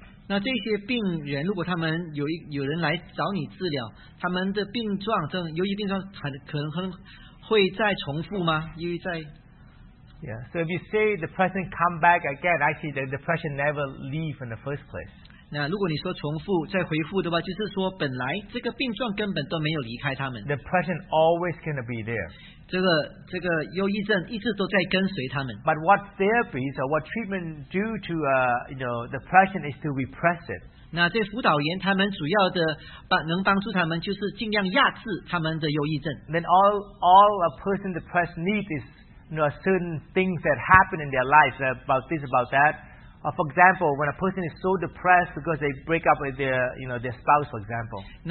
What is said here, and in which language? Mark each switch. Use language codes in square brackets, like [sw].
[zh] 那这些病人如果他们有人来找你治疗，他们的病状，这忧郁病状可能会再重复吗？ [en] Yeah. So if you say the person come back again, actually the depression never leave in the first place. [zh] 那如果你说重复再回复的话，就是说本来这个病状根本都没有离开他们。 [en] Depression always going to be there. [zh] 这个忧郁症一直都在跟随他们。 [en] But what therapies or what treatment do to depression is to repress it. [zh] 那这辅导员他们主要的能帮助他们就是尽量压制他们的忧郁症。 [en] Then all a person depressed needs is certain things that happen in their life, about this, about that. For example, when a person is so depressed because they break up with their spouse, for example.